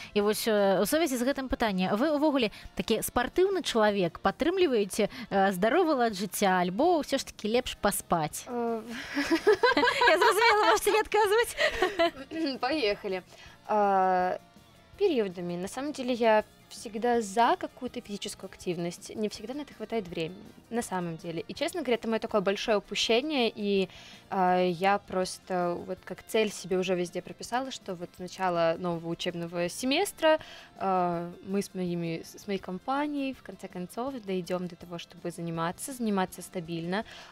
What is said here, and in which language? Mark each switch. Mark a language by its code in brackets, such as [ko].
[be] І вось у сувязі з гэтым пытанне, вы ўвогуле такі спартыўны чалавек, падтрымліваеце здаровы лад жыцця, альбо ўсё ж такі лепш паспаць? Я зразумела, можаце не адказваць. Паехалі. Перыёдамі. [ru] На самом деле я всегда за какую-то физическую активность, не всегда на это хватает времени, на самом деле. И, честно говоря, это мое такое большое упущение, и я просто вот как цель себе уже везде прописала, что вот с начала нового учебного семестра мы с моей компанией, в конце концов, дойдем до того, чтобы заниматься стабильно.